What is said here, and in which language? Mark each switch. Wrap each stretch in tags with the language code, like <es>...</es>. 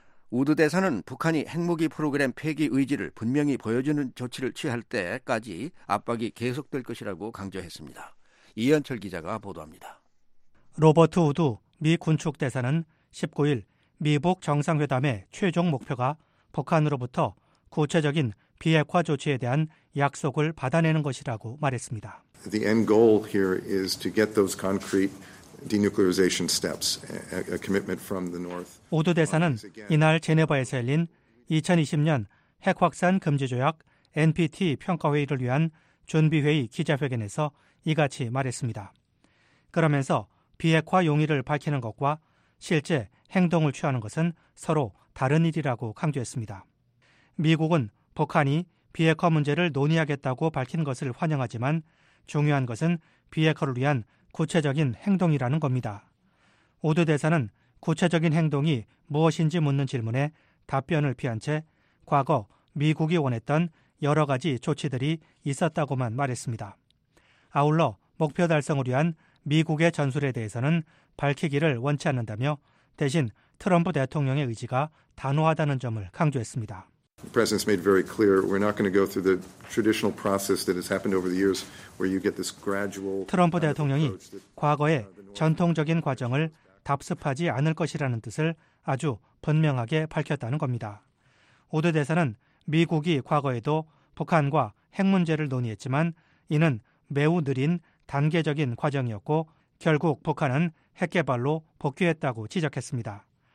<ko>우드 대사는 북한이 핵무기 프로그램 폐기 의지를 분명히 보여주는 조치를 취할 때까지 압박이 계속될 것이라고 강조했습니다. 이현철 기자가 보도합니다. 로버트 우드 미 군축대사는 19일 미북 정상회담의 최종 목표가 북한으로부터 구체적인 비핵화 조치에 대한 약속을 받아내는 것이라고 말했습니다.</ko> <en>The end goal here is to get those concrete denuclearization steps, a commitment from the North.</en> <ko>우드 대사는 이날 제네바에서 열린 2020년 핵확산 금지조약 NPT 평가회의를 위한 준비회의 기자회견에서 이같이 말했습니다. 그러면서 비핵화 용의를 밝히는 것과 실제 행동을 취하는 것은 서로 다른 일이라고 강조했습니다. 미국은 북한이 비핵화 문제를 논의하겠다고 밝힌 것을 환영하지만 중요한 것은 비핵화를 위한 구체적인 행동이라는 겁니다. 우드 대사는 구체적인 행동이 무엇인지 묻는 질문에 답변을 피한 채 과거 미국이 원했던 여러 가지 조치들이 있었다고만 말했습니다. 아울러 목표 달성을 위한 미국의 전술에 대해서는 밝히기를 원치 않는다며 대신 트럼프 대통령의 의지가 단호하다는 점을 강조했습니다.</ko> <en>The president's made very clear we're not going to go through the traditional process that has happened over the years where you get this gradual</en> <ko>트럼프 대통령이 과거의 전통적인 과정을 답습하지 않을 것이라는 뜻을 아주 분명하게 밝혔다는 겁니다. 우드 대사는 미국이 과거에도 북한과 핵 문제를 논의했지만 이는 매우 느린 단계적인 과정이었고 결국 북한은 핵 개발로 복귀했다고 지적했습니다.</ko>